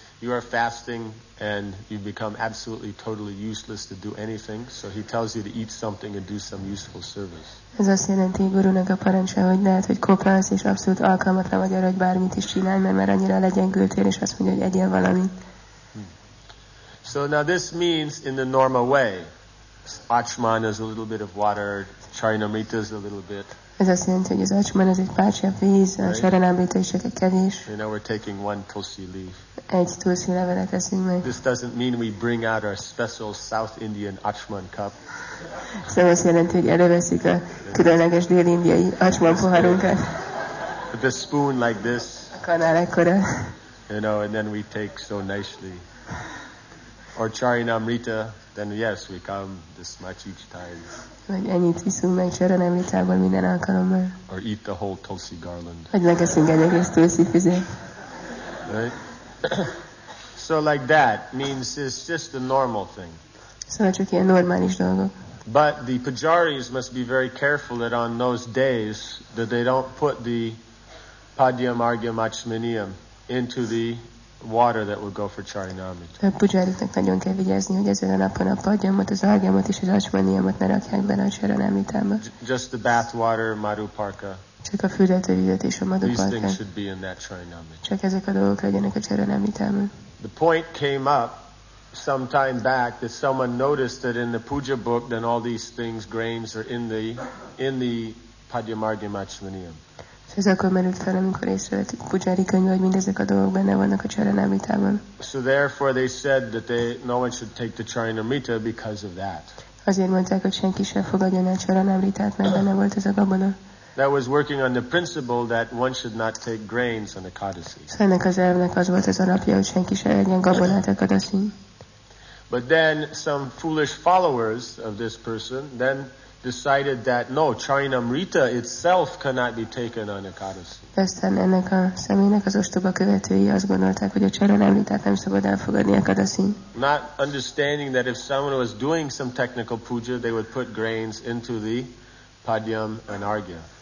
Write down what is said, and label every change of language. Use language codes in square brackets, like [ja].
[en] You are fasting and you become absolutely, totally useless to do anything. So he tells you to eat something and do some useful service. [hu] Ez azt jelenti Guru Naka Parancha, hogy lehet, hogy koplálsz és abszolút alkalmatlan vagy arra, hogy bármit is csinálj, mert már annyira legyengültél, és azt mondja, hogy egyél valamit. [en] So now this means in the normal way. Achman is a little bit of water. Charanamrita is a little bit. [hu] Ez azt jelenti, hogy az Achman az egy pár csepp víz, a Charanamrita is egy kevés. [en] You know, we're taking one tulsi leaf. [hu] Egy tulsi levelet eszünk meg. [en] This doesn't mean we bring out our special South Indian Achman cup. [hu] Ez azt jelenti, hogy előveszik a különleges dél-indiai Achman poharunkat. [en] With a spoon like this. [hu] A kanál ekkora. [en] You know, and then we take so nicely. Or Charanamrita. Then yes, we come this much each time. [hu] Vagy ennyit viszünk meg Charanamritából minden alkalommal. [en] Or eat the whole tulsi garland. [hu] Vagy megeszünk egy egész tulsi füzet. [en] Right? So like that means it's just a normal thing. [hu] Szóval csak ilyen normális dolgok. [en] But the pujaris must be very careful that on those days that they don't put the padyam argyam achmaniyam into the water that will go for Charanamrita. [hu] A pujáriknak nagyon kell vigyázni, hogy ezen a napon a padjamot, az ágyamot és az acsmaniamot ne rakják bele a Charanamritába. [en] Just the bath water, Madhuparka. [hu] Csak a fürdetővizet és a Madhuparka. [en] These things should be in that Charanamrita. [hu] Csak ezek a dolgok legyenek a Charanamritában. [en] The point came up some time back that someone noticed that in the puja book, then all these things, grains, are in the Padyamargya Matsmaniyam. [hu] Ez akkor merült fel, amikor észrevettük Pujári könyvben, hogy mindezek a dolgok benne vannak a Charanamritában. [en] So therefore they said that no one should take the Charanamrita because of that. [hu] Azért mondták, hogy senki sem fogadja a Charanamritát, mert benne volt ez a gabona. [en] That was working on the principle that one should not take grains on the kadasi. [hu] Ennek az elvnek az volt az alapja, hogy senki sem egyen gabonát a kadaszin. [en] But then some foolish followers of this person then decided that no, Charanamrita itself cannot be taken on Ekadasi. [hu] Aztán ennek a személynek az ostoba követői azt gondolták, hogy a Charanamritát nem szabad elfogadni Ekadasin. [en] Not understanding that if someone was doing some technical puja, they would put grains into the Padyam and Argya.